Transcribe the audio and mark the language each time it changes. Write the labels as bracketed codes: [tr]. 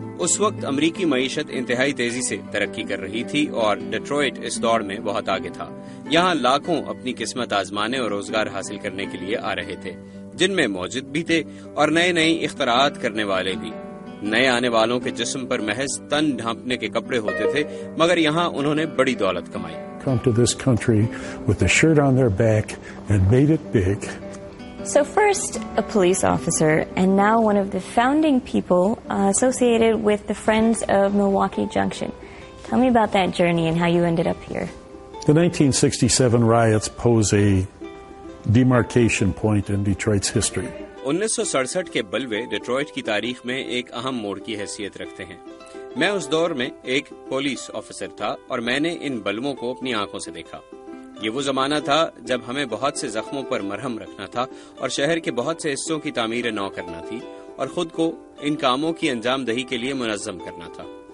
[ur] اس وقت امریکی معیشت انتہائی تیزی سے ترقی کر رہی تھی اور ڈیٹرائٹ اس دوڑ میں بہت آگے تھا. یہاں لاکھوں اپنی قسمت آزمانے اور روزگار حاصل کرنے کے لیے آ رہے تھے, جن میں موجود بھی تھے اور نئے نئے اختراعات کرنے والے بھی. نئے آنے والوں کے جسم پر محض تن ڈھانپنے کے کپڑے ہوتے تھے, مگر یہاں انہوں نے بڑی دولت کمائی. [en] Come to this country with a shirt on their back and made it big. So first, a police officer, and now one of the founding people associated with the Friends of Milwaukee Junction. Tell me about that journey and how you ended up here. The 1967 riots pose a demarcation point in Detroit's history. [ur] 1967 کے بلوے Detroit کی تاریخ میں ایک اہم موڑ کی حیثیت رکھتے ہیں. میں اس دور میں ایک پولیس آفیسر تھا اور میں نے ان بلووں کو اپنی آنکھوں سے دیکھا. یہ وہ زمانہ تھا جب ہمیں بہت سے زخموں پر مرہم رکھنا تھا اور شہر کے بہت سے حصوں کی تعمیر نو کرنا تھی اور خود کو ان کاموں کی انجام دہی کے لیے منظم کرنا تھا.